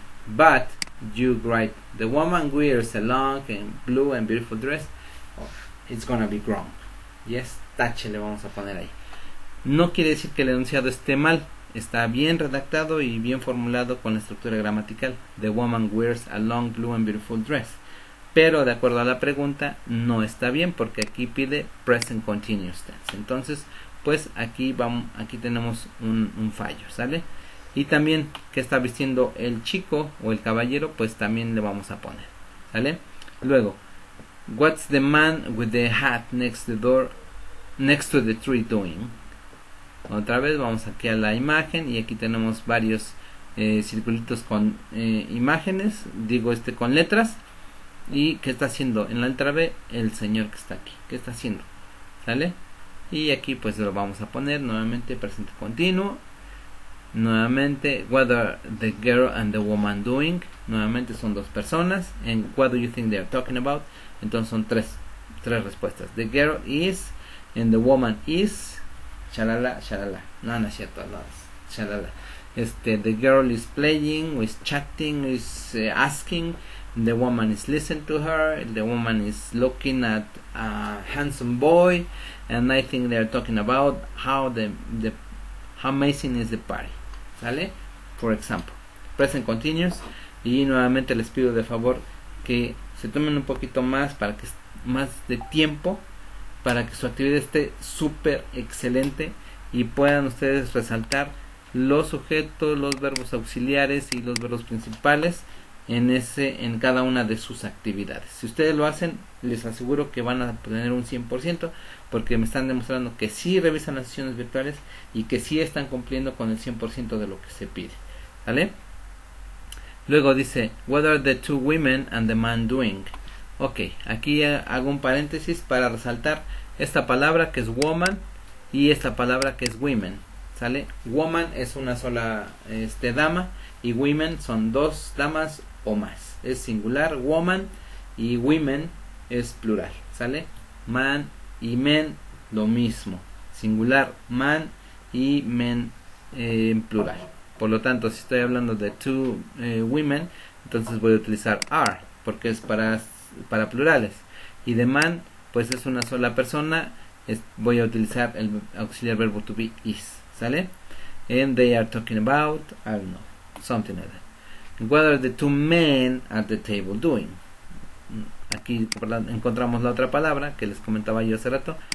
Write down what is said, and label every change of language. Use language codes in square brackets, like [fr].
[en] But you write, the woman wears a long and blue and beautiful dress. Oh, it's gonna be wrong. Yes, [es] tache le vamos a poner ahí. No quiere decir que el enunciado esté mal. Está bien redactado y bien formulado con la estructura gramatical. [en] The woman wears a long, blue and beautiful dress. [es] Pero de acuerdo a la pregunta, no está bien porque aquí pide present continuous tense. Entonces, pues aquí vamos, aquí tenemos un fallo, ¿sale? Y también qué está vistiendo el chico o el caballero, pues también le vamos a poner, ¿sale? [en] Luego, what's the man with the hat next to the door, next to the tree doing? [es] Otra vez vamos aquí a la imagen y aquí tenemos varios circulitos con imágenes, digo con letras. ¿Y qué está haciendo en la letra B? El señor que está aquí, ¿qué está haciendo? ¿Sale? Y aquí pues lo vamos a poner nuevamente presente continuo. [en] Nuevamente, what are the girl and the woman doing? [es] Nuevamente son dos personas. [en] And what do you think they are talking about? [es] Entonces son tres respuestas. [en] The girl is and the woman is. Chalala, chalala. [es] No, no es cierto, no es. Chalala. [en] The girl is playing, is chatting, is asking. The woman is listening to her. The woman is looking at a handsome boy. And I think they are talking about how the how amazing is the party, ¿sale? For example, present continuous [es] y nuevamente les pido de favor que se tomen un poquito más para que más de tiempo para que su actividad esté súper excelente y puedan ustedes resaltar los sujetos, los verbos auxiliares y los verbos principales en ese en cada una de sus actividades. Si ustedes lo hacen, les aseguro que van a tener un 100% porque me están demostrando que sí revisan las sesiones virtuales y que sí están cumpliendo con el 100% de lo que se pide, ¿sale? Luego dice, [en] "What are the two women and the man doing?" [es] Ok, aquí hago un paréntesis para resaltar esta palabra que es woman y esta palabra que es women, ¿sale? Woman es una sola dama. Y women son dos damas o más. Es singular, woman. Y women es plural. ¿Sale? Man y men, lo mismo. Singular, man y men en plural. Por lo tanto, si estoy hablando de two women, entonces voy a utilizar are, porque es para plurales. Y de man, pues es una sola persona, voy a utilizar el auxiliar verbo to be is. ¿Sale? [en] And they are talking about, I don't know. Something like that. What are the two men at the table doing? [es] Aquí encontramos la otra palabra que les comentaba yo hace rato.